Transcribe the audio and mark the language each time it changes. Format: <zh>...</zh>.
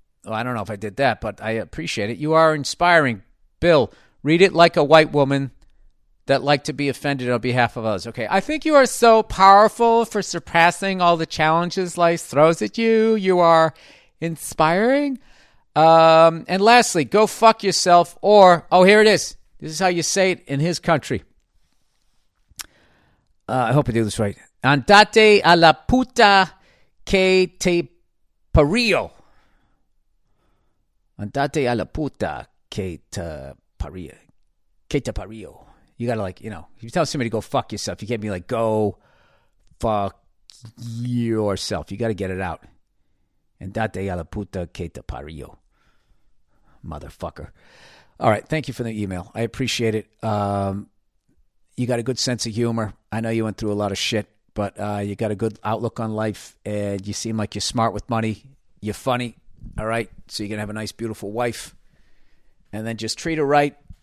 <en>Well, I don't know if I did that, but I appreciate it. You are inspiring. Bill, read it like a white woman that liked to be offended on behalf of others. Okay, I think you are so powerful for surpassing all the challenges life throws at you. You are inspiring. And lastly, go fuck yourself or, oh, here it is. This is how you say it in his country. I hope I do this right.</en> <es>Andate a la puta que te parió. Andate a la puta que te parió. Que te parió.</es> <en>You gotta like, you know, if you tell somebody to go fuck yourself, you can't be like, go fuck yourself. You gotta get it out.</en> <es>Andate a la puta que te parió.</es> <en>Motherfucker. All right, thank you for the email. I appreciate it. You got a good sense of humor. I know you went through a lot of shit, but you got a good outlook on life, and you seem like you're smart with money. You're funny, all right? So you're going to have a nice, beautiful wife, and then just treat her right.</en>